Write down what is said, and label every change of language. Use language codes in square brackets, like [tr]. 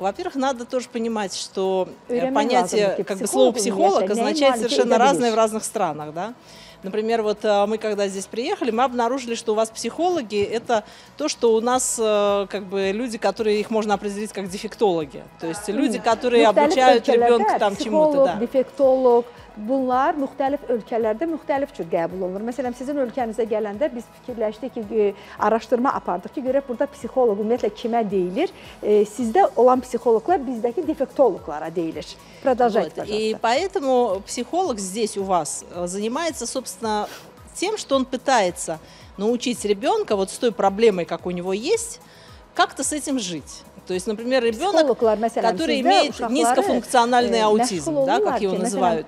[ru] Во-первых, надо тоже понимать, что понятие, как бы слово «психолог» означает совершенно разное в разных странах, да? Например, вот мы когда здесь приехали, мы обнаружили, что у вас психологи – это то, что у нас как бы люди, которые их можно определить как дефектологи. То есть люди, которые обучают ребенка там чему-то. Психолог, дефектолог. [az] Bunlar müxtəlif ölkələrdə müxtəlif cür qəbul olunur. Məsələn, sizin ölkənizə gələndə biz fikirləşdik ki, araşdırma apardıq ki, görək burada psixoloq ümumiyyətlə kimə deyilir? Sizdə olan psixoloqlar bizdəki defektoloqlara deyilir. [ru] Продолжайте, пожалуйста. И поэтому психолог здесь у вас занимается, собственно, тем, что он пытается научить ребенка вот с той проблемой, как у него есть, как-то с этим жить. То есть, например, ребенок, который имеет низкофункциональный аутизм, да, как его называют.